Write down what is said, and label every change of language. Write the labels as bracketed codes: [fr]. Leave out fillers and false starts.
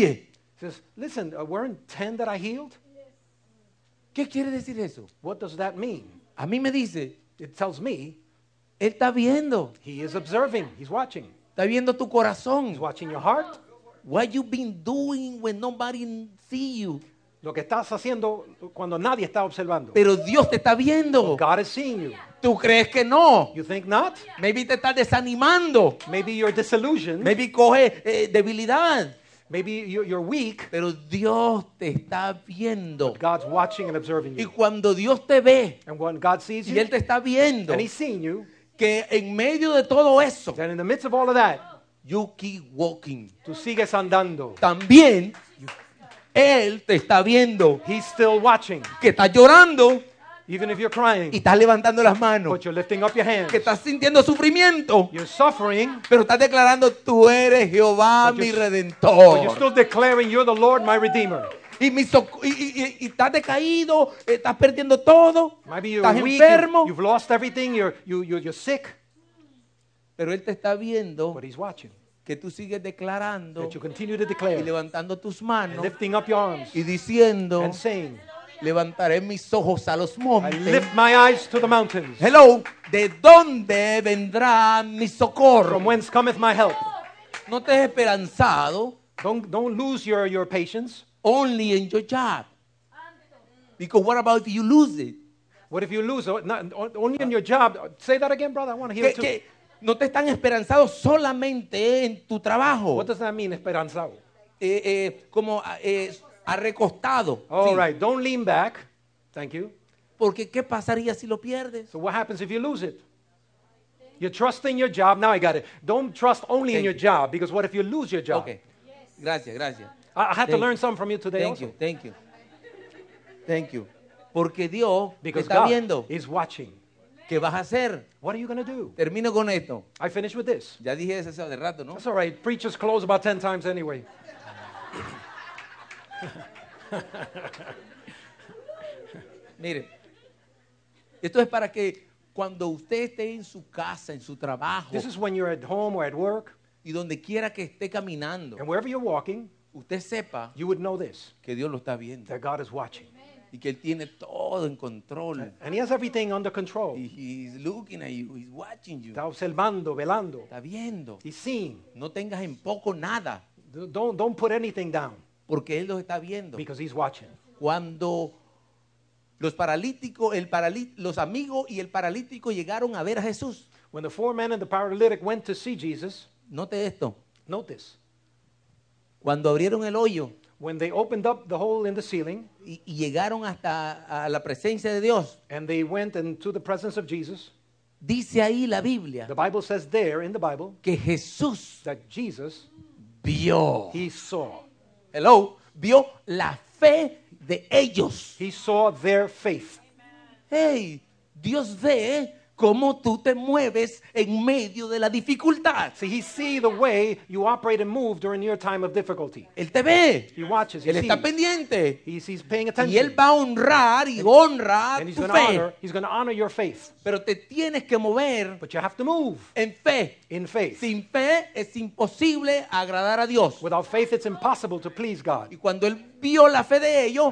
[en] He says, listen, weren't 10 that I healed? [es] ¿Qué quiere decir eso? [en] What does that mean? [es] A mí me dice. [en] It tells me. [es] Él está viendo. [en] He is observing. He's watching. [es] Está viendo tu corazón. [en] He's watching your heart. What you been doing when nobody see you? [es] Lo que estás haciendo cuando nadie está observando. Pero Dios te está viendo. [en] But God is seeing you. [es] ¿Tú crees que no? [en] You think not? [es] Maybe te estás desanimando. [en] Maybe you're disillusioned. [es] Maybe coge debilidad. [en] Maybe you're weak. [es] Pero Dios te está viendo. [en] But God's watching and observing you. [es] Y cuando Dios te ve. [en] And when God sees you. [es] Y Él te está viendo. [en] And He's seeing you. [es] Que en medio de todo eso. [en] And in the midst of all of that. You keep walking. [es] Tú sigues andando. También. Él te está viendo. [en] He's still watching. [es] Que está llorando. [en] Even if you're crying. [es] Y estás levantando las manos. [en] But you're lifting up your hands. [es] Que estás sintiendo sufrimiento. [en] You're suffering. [es] Pero estás declarando, tú eres Jehová, mi Redentor. [en] But you're still declaring, you're the Lord, my Redeemer. [es] Y estás decaído, estás perdiendo todo. [en] Maybe you're [es] estás [en] weak, [es] enfermo. [en] You've lost everything, you're sick. [es] Pero Él te está viendo. [en] But He's watching. [es] Que tú sigues declarando. [en] That you continue to declare. [es] Y levantando tus manos. [en] And lifting up your arms. [es] Y diciendo. [en] And saying. [es] Levantaré mis ojos a los montes. [en] I lift my eyes to the mountains. [es] Hello. ¿De dónde vendrá mi socorro? [en] From whence cometh my help? [es] No te has esperanzado. [en] Don't lose your patience. Only in your job. Because what about if you lose it? What if you lose it? Only in your job. Say that again, brother. I want to hear it too. [es] Que no te están esperanzado solamente en tu trabajo. [en] What does that mean, esperanzado? [es] Arrecostado. [en] All right, don't lean back. Thank you. [es] Porque ¿qué pasaría si lo pierdes? [en] So what happens if you lose it? You're trusting your job. Now I got it. Don't trust only in your job, because what if you lose your job? Okay. Gracias. I had to learn something from you today. Thank you. [es] Porque Dios [en] because [es] está [en] God [es] viendo. [en] Is watching. [es] ¿Qué vas a hacer? [en] What are you going to do? [es] Termino con esto. [en] I finish with this. [es] Ya dije eso hace rato, ¿no? [en] That's all right. Preachers close about 10 times anyway. [es] Mire, esto es para que cuando usted esté en su casa, en su trabajo, [en] this is when you're at home or at work, [es] y donde quiera que esté caminando, [en] and wherever you're walking, [es] usted sepa, [en] you would know this, [es] que Dios lo está viendo, [en] that God is watching, [es] y que él tiene todo en control, [en] and he has everything under control, y he's looking at you, he's watching you, [es] está observando, velando, está viendo, [en] he's seeing, [es] no tengas en poco nada, [en] don't put anything down, [es] porque él los está viendo, [en] because he's watching, [es] cuando los paralíticos, los amigos y el paralítico llegaron a ver a Jesús. [en] When the four men and the paralytic went to see Jesus, [es] note esto. [en] Note this. [es] Cuando abrieron el hoyo, [en] when they opened up the hole in the ceiling, [es] y llegaron hasta a la presencia de Dios, [en] and they went into the presence of Jesus, [es] dice ahí la Biblia, [en] the Bible says there in the Bible, [es] que Jesús, [en] that Jesus, [es] vio, [en] he saw, [es] hello, vio la fe de ellos. [en] He saw their faith. [es] Hey, Dios ve cómo tú te mueves en medio de la dificultad. [en] See, he sees the way you operate and move during your time of difficulty. [es] Él te ve. [en] He watches. [es] Él está pendiente. [en] He's paying attention. [es] Y él va a honrar y honra tu fe. [en] He's going to honor your faith. [es] Pero te tienes que mover. [en] But you have to move. [es] En fe. [en] In faith. [es] Sin fe es imposible agradar a Dios. [en] Without faith, it's impossible to please God. [es] Y cuando él vio la fe de ellos.